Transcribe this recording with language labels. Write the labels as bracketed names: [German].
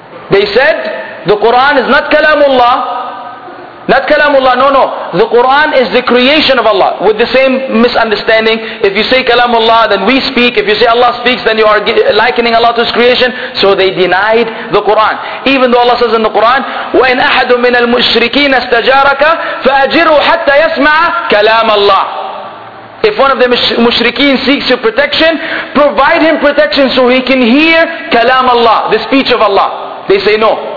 [English] They said, the Quran is not Kalamullah. Not Kalamullah, no. The Quran is the creation of Allah. With the same misunderstanding, if you say Kalamullah, then we speak. If you say Allah speaks, then you are likening Allah to His creation. So they denied the Quran. Even though Allah says in the Quran, [Arabic] وَإِنْ أَحَدٌ مِنَ الْمُشْرِكِينَ اسْتَجَارَكَ فَأَجِرُوا حَتَّى يَسْمَعَ كَلَامَ اللَّهِ. [English] If one of the mushrikeen seeks your protection, provide him protection so he can hear Kalam Allah, the speech of Allah. They say no.